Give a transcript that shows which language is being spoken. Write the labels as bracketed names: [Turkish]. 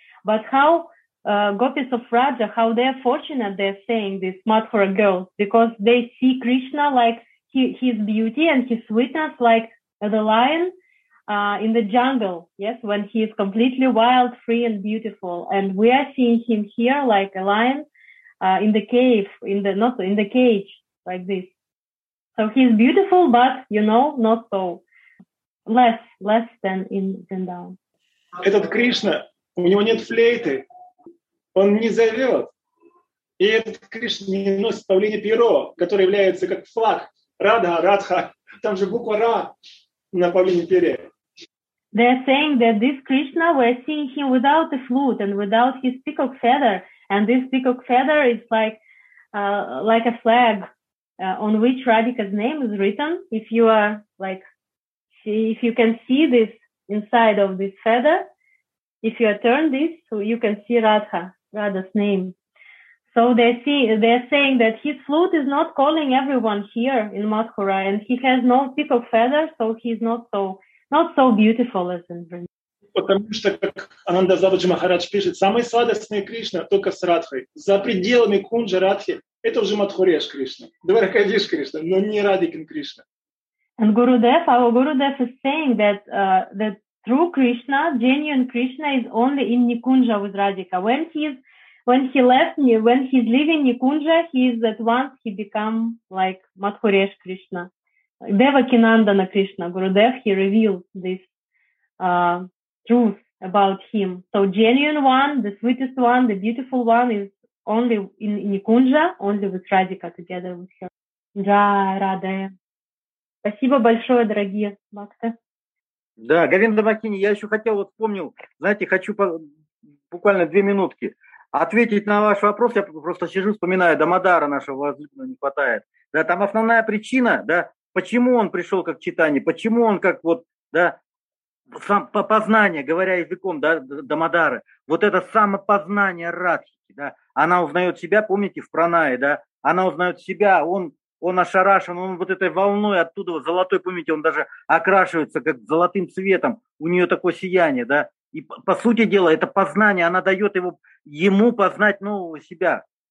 [English] But how gopis of Raja, how they're fortunate, they're saying this Mathura girl, because they see Krishna like his beauty and his sweetness like the lion in the jungle, yes, when he is completely wild, free and beautiful. And we are seeing him here like a lion in the cave, in the cage, like this. So he's beautiful, but, you know, not so less than in Vrindavan. [Russian] Этот Кришна, у него нет флейты, он не зовет. И этот Кришна не носит павлинье перо, которое является как флаг Радха, Радха. Там же буква Ра на павлинье перо. [English] They're saying that this Krishna, we're seeing him without a flute and without his peacock feather. And this peacock feather is like a flag. On which Radhika's name is written, if you are like, if you can see this inside of this feather, if you turn this, so you can see Radha, Radha's name. So they're saying that his flute is not calling everyone here in Mathura, and he has no peacock feather, so he's not so beautiful as in Vrindavan. [Russian] Потому что, как Ананда Забаджи Махарадж пишет, самый сладостный Кришна только с Радхой. За пределами Кунджа Радхи это уже Матхуреш Кришна. Дваракадиш Кришна, но не Радикин Кришна. [English] And Gurudev, our Gurudev is saying that that true Krishna, genuine Krishna is only in Nikunja with Radhika. When he's leaving Nikunja, he is at once he become like Matkuresh Krishna. Devakinandana Krishna, Gurudev, he revealed this truth about him. So genuine one, the sweetest one, the beautiful one is only in Никунджа, only with Radhika together with her. [Russian] Да, рада. Спасибо большое, дорогие Бхакта. Да, Говинда Бхакини, я еще хотел, вот вспомнил, знаете, хочу буквально две минутки ответить на ваш вопрос. Я просто сижу, вспоминаю, Дамодара нашего возлюбленного не хватает. Да, там основная причина, да, почему он пришел как читание, почему он как вот, да, сам познание, говоря языком, да, Дамодары, вот это самопознание Радхики, да, она узнает себя, помните, в пранае, да, она узнает себя, он ошарашен, он вот этой волной оттуда, вот золотой, помните, он даже окрашивается как золотым цветом, у нее такое сияние, да, и по сути дела это познание, она дает его, ему познать нового себя.